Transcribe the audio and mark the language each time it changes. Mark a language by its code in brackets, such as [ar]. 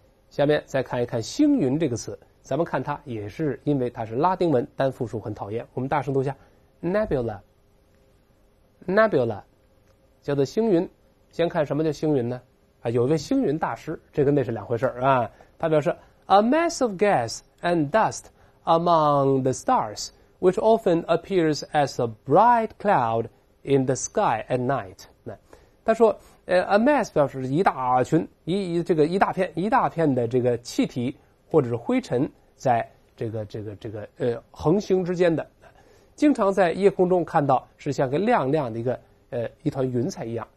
[zh] 下面再看一看“星云”这个词，咱们看它也是因为它是拉丁文，单复数很讨厌。我们大声读一下 ，nebula， 叫做星云。先看什么叫星云呢？啊，有一位星云大师，这跟那是两回事啊。他表示 [en] ，a mass of gas and dust among the stars, which often appears as a bright cloud in the sky at night。 [zh] 那他说，a mass 表示一大群，一大片的这个气体或者是灰尘，在这个恒星之间的，经常在夜空中看到，是像个亮亮的一个一团云彩一样。